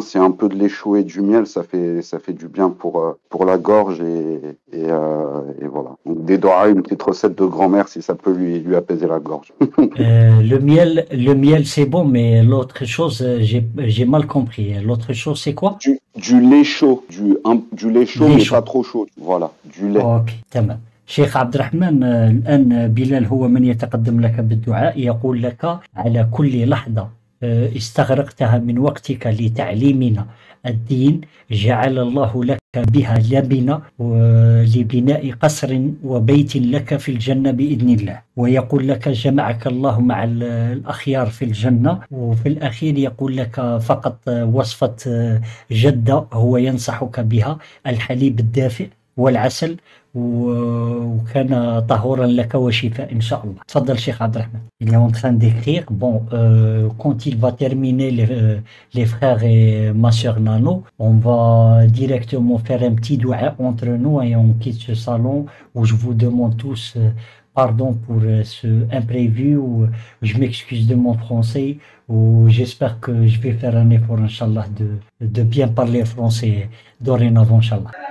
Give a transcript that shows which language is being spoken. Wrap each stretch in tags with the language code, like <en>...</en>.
<fr>C'est un peu de l'échou et du miel, ça fait du bien pour la gorge et voilà. Donc, des doigts, une petite recette de grand-mère, si ça peut lui apaiser la gorge. le miel, c'est bon, mais l'autre chose, j'ai mal compris. L'autre chose, c'est quoi? Du lait chaud. Du lait chaud, lait mais chaud. Pas trop chaud. Voilà, du lait. Ok, tamam.</fr> <ar>شيخ عبد الرحمن الآن بلال هو من يتقدم لك بالدعاء يقول لك على كل لحظة استغرقتها من وقتك لتعليمنا الدين جعل الله لك بها لبنة لبناء قصر وبيت لك في الجنة بإذن الله ويقول لك جمعك الله مع الأخيار في الجنة وفي الأخير يقول لك فقط وصفة جدة هو ينصحك بها الحليب الدافئ والعسل وكان طهورا لك وشفاء ان شاء الله. تفضل شيخ عبد الرحمن.</ar> <fr>Il est en train d'écrire, bon, quand il va terminer les frères et ma soeur Nano, on va directement faire un petit doua entre nous et on quitte ce salon où je vous demande tous pardon pour ce imprévu, où je m'excuse de mon français, où j'espère que je vais faire un effort, Inch'Allah, de bien parler français dorénavant, Inch'Allah.</fr>